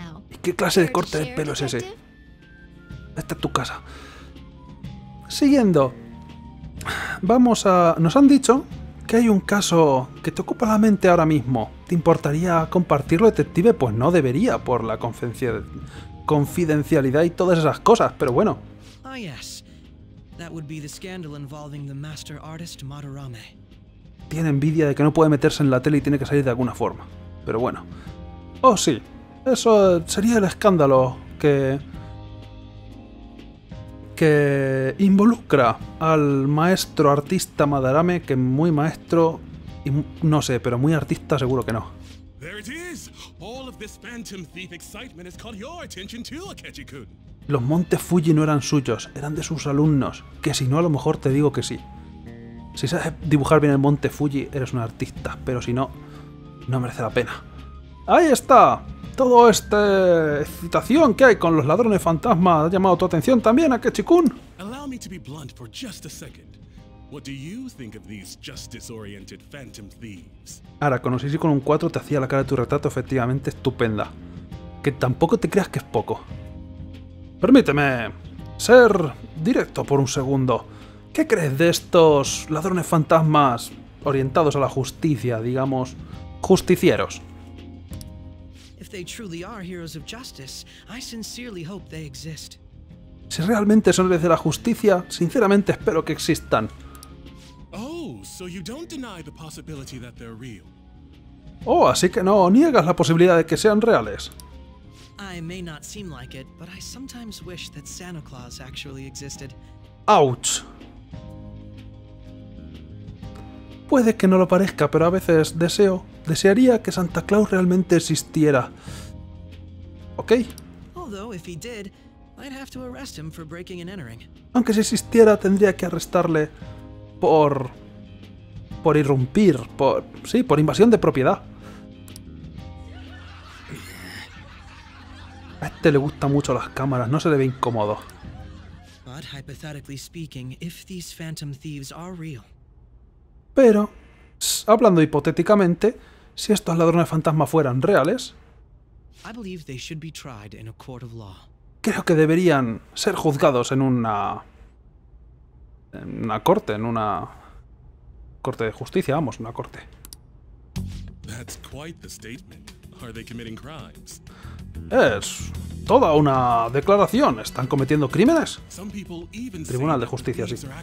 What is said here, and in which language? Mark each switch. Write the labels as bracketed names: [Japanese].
[Spanish] ¿Y qué clase de corte de pelo es ese? Esta es tu casa. Siguiendo. Vamos a... Nos han dicho que hay un caso que te ocupa la mente ahora mismo. ¿Te importaría compartirlo, detective? Pues no debería, por la confidencialidad y todas esas cosas, pero bueno. Ah, sí. [English] That would be the scandal involving the master artist Madarame. [Spanish] Tiene envidia de que no puede meterse en la tele y tiene que salir de alguna forma. Pero bueno. Oh, sí. Eso sería el escándalo que... que involucra al maestro artista Madarame, que es muy maestro y no sé, pero muy artista seguro que no. [English] There it is. All of this phantom thief excitement has caught your attention too, Akechi-kun. [Spanish] Los montes Fuji no eran suyos, eran de sus alumnos. Que si no, a lo mejor te digo que sí. Si sabes dibujar bien el monte Fuji, eres un artista. Pero si no, no merece la pena. ¡Ahí está! Todo este... excitación que hay con los ladrones fantasmas ha llamado tu atención también, Akechi-kun. [English] Allow me to be blunt for just a second. What do you think of these justice-oriented phantom thieves? [Spanish] Ahora, con Osiris con un 4 te hacía la cara de tu retrato efectivamente estupenda. Que tampoco te creas que es poco. Permíteme ser directo por un segundo. ¿Qué crees de estos ladrones fantasmas orientados a la justicia, digamos, justicieros? [English] If they truly are heroes of justice, I sincerely hope they exist. [Spanish] Si realmente son héroes de la justicia, sinceramente espero que existan. [English] Oh, so you don't deny the possibility that they're real. [Spanish] Oh, así que no niegas la posibilidad de que sean reales. [English] I may not seem like it, but I sometimes wish that Santa Claus actually existed. Ouch. [Spanish] Puede que no lo parezca, pero a veces desearía que Santa Claus realmente existiera. ¿Okay? [English] Although if he did, I'd have to arrest him for breaking and entering. [Spanish] Aunque si existiera, tendría que arrestarle por irrumpir, por invasión de propiedad. A este le gustan mucho las cámaras, no se le ve incómodo. [English] But, hypothetically speaking, if these phantom thieves are real... [Spanish] Pero, hablando hipotéticamente, si estos ladrones fantasmas fueran reales... [English] I believe they should be tried in a court of law. [Spanish] Creo que deberían ser juzgados en una corte de justicia. [English] That's quite the statement. Are they committing crimes? [Spanish] Es toda una declaración. ¿Están cometiendo crímenes? Tribunal de Justicia, sí.